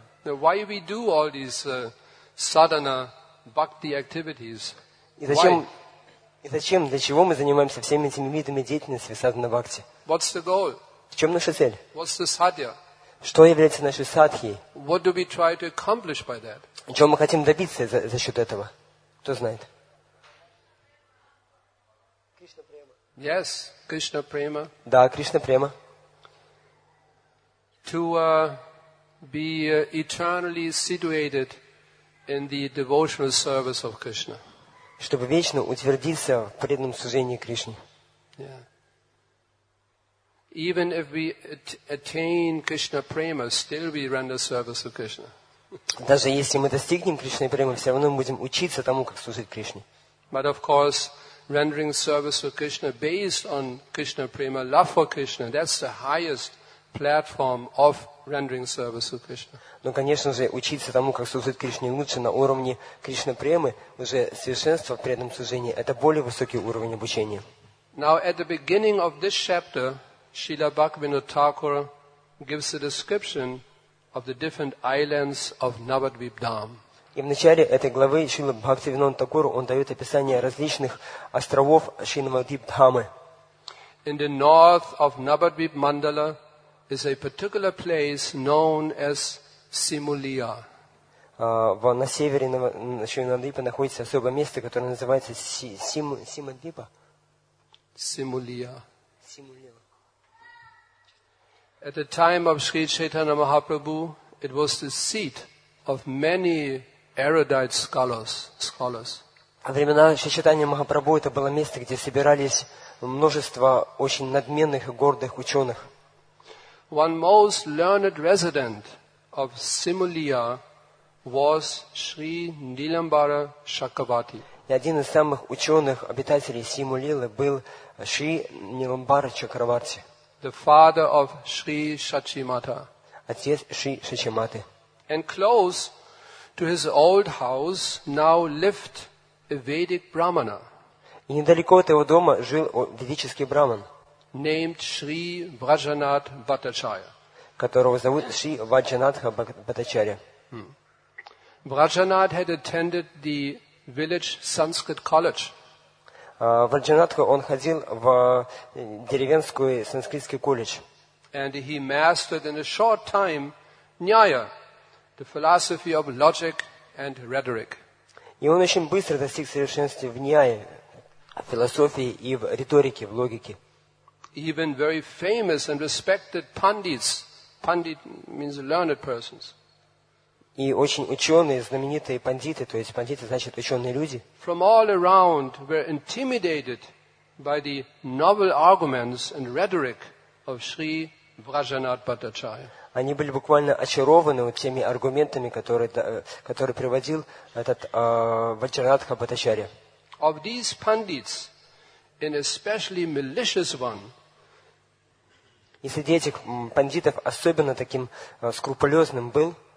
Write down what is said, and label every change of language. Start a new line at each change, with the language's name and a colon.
English: Now why we do all these sadhana bhakti activities?
Russian: И зачем, для чего мы занимаемся всеми этими видами деятельности садхана бхакти?
English: What's the goal?
Russian: В чем наша цель?
English: What's the sadhya?
Russian: Что является нашей садхией?
English: What do we try to accomplish by that?
Russian: Чего мы хотим добиться за счет этого? Кто знает? Кришна према.
English: Yes, Кришна према.
Russian: Да, Кришна према.
English: To be eternally situated in the devotional service of Krishna.
Russian: Чтобы вечно утвердиться в преданном служении Кришне.
English: Yeah. Even if we attain Krishna prema, still we render service to Krishna.
Russian: Даже если мы достигнем Кришны премы, все равно мы будем учиться тому, как служить Кришне.
English: But of course, rendering service to Krishna based on Krishna prema, love for Krishna, that's the highest platform of rendering service to Krishna.
Russian: Но, конечно же, учиться тому, как служить Кришне лучше на уровне Кришна премы, уже совершенство в преданном служении, это более высокий уровень обучения.
English: Now, at the beginning of this chapter, Srila Bhaktivinoda Thakura gives a description of the different islands of Navadvip Dham.
Russian: И в начале этой главы Шрила Бхактивинода Такура он дает описание различных островов Навадвип Дхамы.
English: In the north of Navadvip Mandala is a particular place known as Simulia.
Russian: На севере Навадвипа находится особое место, которое называется Симандипа.
English: Simulia. At the time of Sri Chaitanya Mahaprabhu, it was the seat of many erudite scholars.
Russian: В времена Шри Чайтаньи Махапрабху это было место, где собирались множество очень надменных и гордых ученых.
English: One most learned resident of Simulia was Sri Nilambara Chakravarti.
Russian: И один из самых ученых обитателей Симулилы был Шри Нилямбара Чакраварти.
English: The father of Sri Shachimata.
Russian: Отец Шри Шачиматы.
English: And close to his old house now lived a Vedic Brahmana.
Russian: И недалеко от его дома жил ведический брахман.
English: Named Sri Vrajanath Bhattacharya.
Russian: Которого зовут Шри Ваджанатха Бхаттачарья.
English: Vrajanath had attended the village Sanskrit college.
Russian: Варджанатха, он ходил в деревенскую санскритский колледж.
English: And he mastered in a short time Nyaya, the philosophy of logic and rhetoric.
Russian: И он очень быстро достиг совершенства в Нияе, в философии и в риторике, в логике.
English: Even very famous and respected pandits, pandit means learned persons.
Russian: И очень ученые, знаменитые пандиты, то есть пандиты значит ученые люди.
English: From all around were intimidated by the novel arguments and rhetoric of Sri Vrajanath Bhattacharya.
Russian: Они были буквально очарованы вот теми аргументами, которые приводил этот Ваджранатха Бхаттачарья.
English: Of these pandits, an especially malicious one.
Russian: И среди этих пандитов особенно таким скрупулезным был.